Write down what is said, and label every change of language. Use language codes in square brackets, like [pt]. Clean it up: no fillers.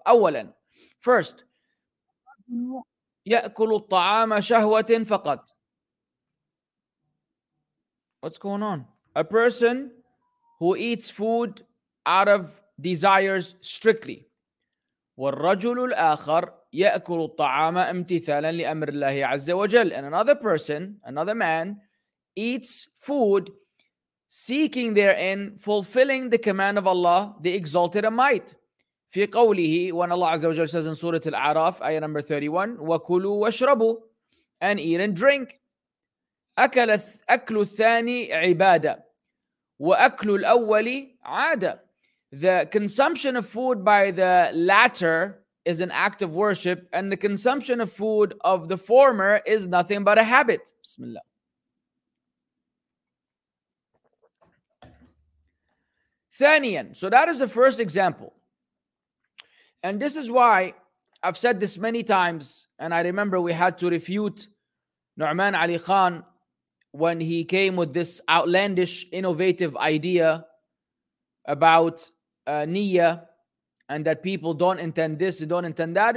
[ar] أولاً, [en] first, [ar] يَأْكُلُ الطَّعَامَ شَهْوَةٍ فَقَطْ. [en] What's going on? A person who eats food out of desires strictly. [ar] وَالرَّجُلُ الْآخَرُ يأكل الطعام امتثالا لأمر الله عز وجل. [en] And another person, another man, eats food seeking therein fulfilling the command of Allah, the exalted and might. [ar] في قوله, [en] when Allah عز وجل says in Surah Al-A'raf, ayah number 31, [ar] وكلوا واشربوا, [en] and eat and drink. [ar] أكل الثاني عبادة وأكل الأول عادة. [en] The consumption of food by the latter is an act of worship, and the consumption of food of the former is nothing but a habit. Bismillah. Thaniyan. So that is the first example. And this is why I've said this many times, and I remember we had to refute Nu'man Ali Khan when he came with this outlandish, innovative idea about niyyah, and that people don't intend this, they don't intend that.